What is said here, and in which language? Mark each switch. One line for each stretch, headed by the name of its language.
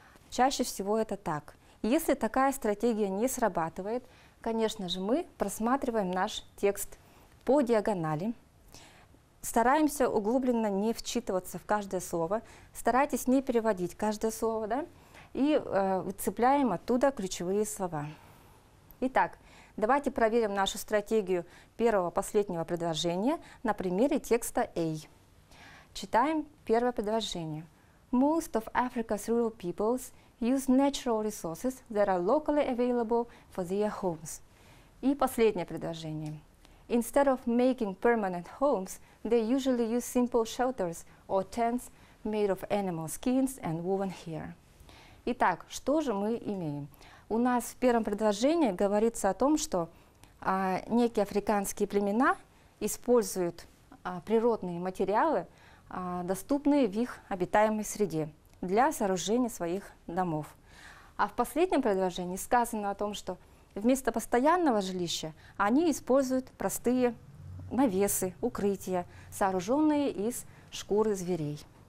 Russian: Чаще всего это так. Если такая стратегия не срабатывает, конечно же, мы просматриваем наш текст по диагонали, стараемся углубленно не вчитываться в каждое слово, старайтесь не переводить каждое слово, да, и выцепляем оттуда ключевые слова. Итак, давайте проверим нашу стратегию первого-последнего предложения на примере текста A. Читаем первое предложение.
English: Most of Africa's rural peoples use natural resources that are locally available for their homes.
Russian: И последнее предложение.
English: Instead of making permanent homes, they usually use simple shelters or tents made of animal skins and woven hair.
Russian: Итак, что же мы имеем? У нас в первом предложении говорится о том, что некие африканские племена используют природные материалы, доступные в их обитаемой среде, для сооружения своих домов. А в последнем предложении сказано о том, что вместо постоянного жилища они используют простые навесы, укрытия, сооруженные из шкуры зверей.